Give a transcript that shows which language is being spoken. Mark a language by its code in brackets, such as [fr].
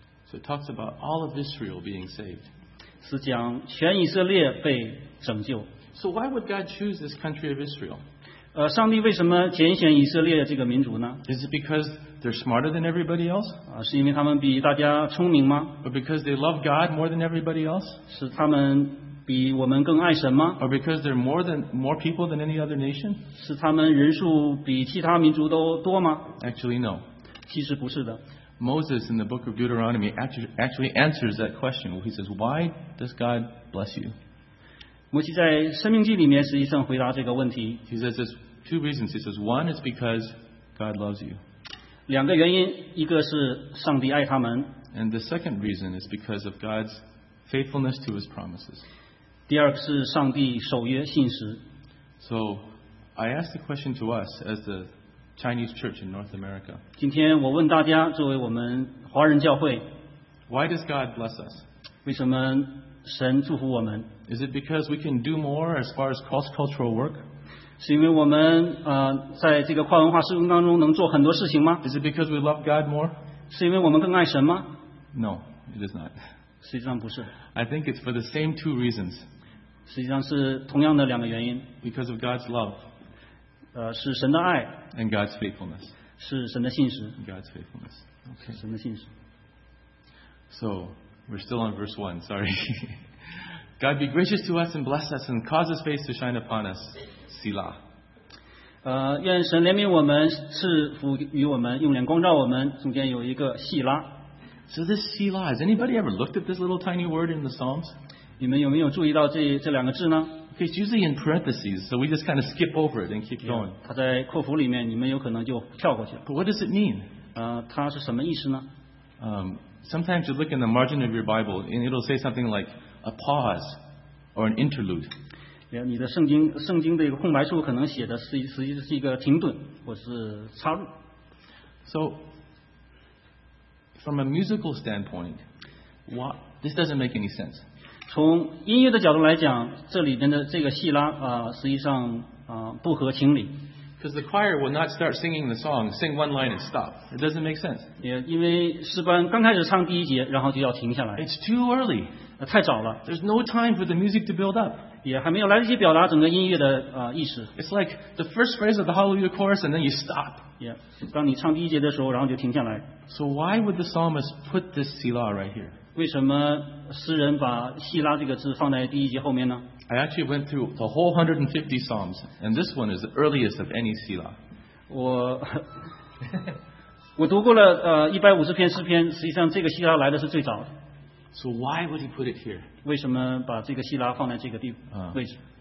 [en] So it talks about all of Israel being saved. [zh] 是讲全以色列被拯救。 [en] So why would God choose this country of Israel? [zh] 上帝为什么拣选以色列这个民族呢？ [en] Is it because they're smarter than everybody else? [zh] 是因为他们比大家聪明吗？ [en] Or because they love God more than everybody else? [zh] 是他们比我们更爱神吗？ [en] Or because they're more people than any other nation? [zh] 是他们人数比其他民族都多吗？ [en] Actually, no. [zh] 其实不是的。 [en] Moses in the book of Deuteronomy actually answers that question. He says, "Why does God bless you?" [zh] 摩西在《生命记》里面实际上回答这个问题。 [en] He says, two reasons. He says one is because God loves you. [zh] 两个原因，一个是上帝爱他们。 [en] And the second reason is because of God's faithfulness to His promises. [zh] 第二个是上帝守约信实。 [en] So I ask the question to us as the Chinese Church in North America. [zh] 今天我问大家，作为我们华人教会。 [en] Why does God bless us? [zh] 为什么神祝福我们？ [en] Is it because we can do more as far as cross-cultural work? [zh] 是因为我们在这个跨文化事工当中能做很多事情吗？ [en] Is it because we love God more? [zh] 是因为我们更爱神吗？ [en] No, it is not. [zh] 实际上不是。 [en] I think it's for the same two reasons. [zh] 实际上是同样的两个原因。 [en] Because of God's love. [zh] 是神的爱。 [en] And God's faithfulness. [zh] 是神的信实。 [en] God's faithfulness. Okay. [zh] 神的信实。 [en] So, we're still on verse 1, sorry. God be gracious to us and bless us and cause His face to shine upon us. Selah. [zh] 愿神怜悯我们，赐福于我们，用脸光照我们，中间有一个细拉。 [en] So this Selah, has anybody ever looked at this little tiny word in the Psalms? [zh] 你们有没有注意到这两个字呢？ [en] Okay, it's usually in parentheses, so we just kind of skip over it and keep going. [zh] 它在括弧里面，你们有可能就跳过去了。 [en] But what does it mean? [zh] 它是什么意思呢？ [en] Sometimes you look in the margin of your Bible and it'll say something like a pause or an interlude. [zh] 你的圣经的一个空白处可能写的实际是一个停顿或是插入。 [en] So, from a musical standpoint, this doesn't make any sense. [zh] 从音乐的角度来讲，这里边的这个细拉实际上不合情理。 [en] Because the choir will not start singing the song, sing one line and stop. It doesn't make sense. Yeah, [zh] 因为诗班刚开始唱第一节，然后就要停下来。 [en] It's too early. [zh] 太早了。 [en] There's no time for the music to build up. [zh] 也还没有来得及表达整个音乐的意思。 [en] It's like the first phrase of the Hallelujah chorus, and then you stop. Yeah, [zh] 当你唱第一节的时候，然后就停下来。 [en] So why would the psalmist put this Selah right here? [zh] 为什么诗人把细拉这个字放在第一节后面呢？ [en] I actually went through the whole 150 Psalms, and this one is the earliest of any Selah. [zh] 我读过了150篇诗篇，实际上这个希拉来的是最早的。 [en] So why would he put it here? [zh] 为什么把这个希拉放在这个地位置？